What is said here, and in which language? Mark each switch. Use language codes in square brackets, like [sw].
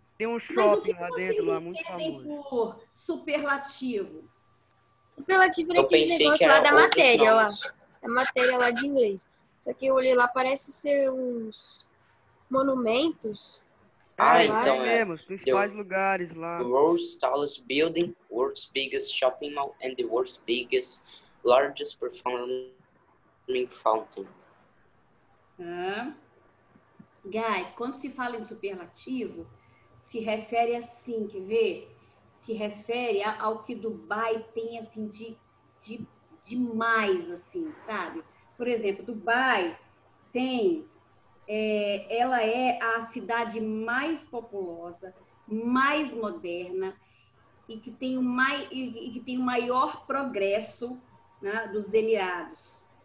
[pt] Tem um shopping lá dentro, lá, muito famoso. Mas o que vocês entendem por superlativo? Superlativo é aquele negócio lá da matéria, lá. Da matéria lá de inglês. Só que eu olhei lá, parece ser uns monumentos. Ah, então é. Os principais lugares lá. [en] The world's tallest building, world's biggest shopping mall, and the world's biggest, largest performing fountain. [pt] Guys, quando se fala em superlativo, se refere assim, quer ver? Se refere ao que Dubai tem, assim, de mais, assim, sabe? Por exemplo, Dubai tem, ela é a cidade mais populosa, mais moderna e que tem o maior progresso, né, dos Emirados.